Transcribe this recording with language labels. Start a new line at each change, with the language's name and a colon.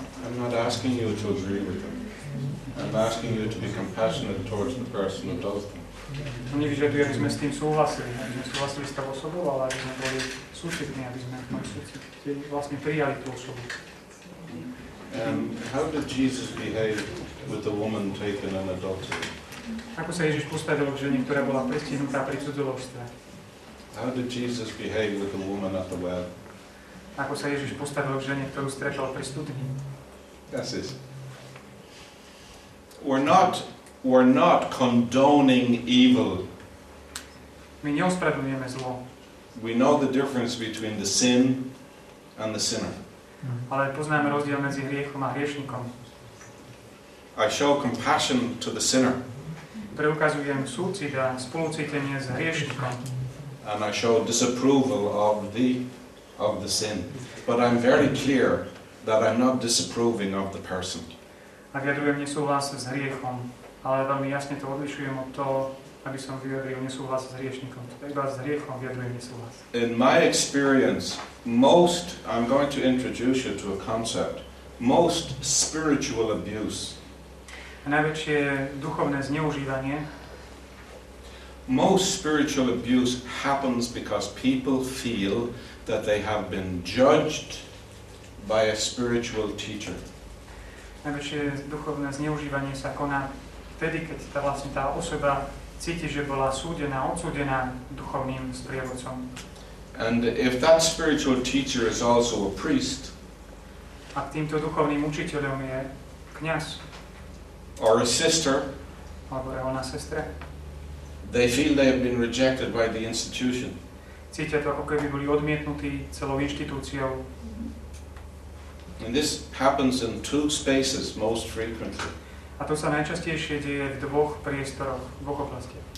English: I'm not asking you to agree with them. I'm asking you to be compassionate towards the person who does them.
Slovak: No nevyžaduje, aby sme s tým súhlasili. Aby sme súhlasili s tou osobou, ale aby sme boli súcitní, aby sme vlastne prijali tú osobu.
English: How did Jesus behave with the woman taken in adultery?
Slovak: Ako sa Ježiš postavil k žene, ktorá bola prestihnutá pri cudzoložstve?
English: How did Jesus behave with the woman at the well?
Slovak: Ako sa Ježiš postavil k žene, ktorú stretol pri studni?
English: That's it. We're not condoning evil.
Slovak: My neospravedlňujeme zlo.
English: We know the difference between the sin and the sinner.
Slovak: ale poznáme rozdiel medzi hriechom a hriešnikom.
English: I show compassion to the sinner.
Slovak: Preukazujem súcit a spolucítenie s hriešnikom.
English: And I show disapproval of the sin. But I'm very clear that I'm not disapproving of the person.
Slovak: A vyjadrujem nesúhlas s hriechom, ale veľmi jasne to odlišujem od toho, aby som vyjadril nesúhlas s hriešnikom. Iba s hriechom vyjadrujem nesúhlas.
English: In my experience, most, I'm going to introduce you to a concept, most spiritual abuse.
Slovak: A najväčšie duchovné zneužívanie.
English: Most spiritual abuse happens because people feel that they have been judged by a spiritual teacher.
Slovak: Najväčšie duchovné zneužívanie sa koná vtedy, keď tá vlastne tá osoba cíti, že bola súdená, odsúdená duchovným sprievodcom.
English: And if that spiritual teacher is also a priest,
Slovak: a týmto duchovným učiteľom je kňaz,
English: or a sister,
Slovak: alebo je ona sestra,
English: they feel they have been rejected by the institution.
Slovak: Cítia to, ako keby boli odmietnutí celou inštitúciou.
English: And this happens in two spaces most frequently.
Slovak: A to sa najčastejšie deje v dvoch priestoroch, v dvoch oblastiach.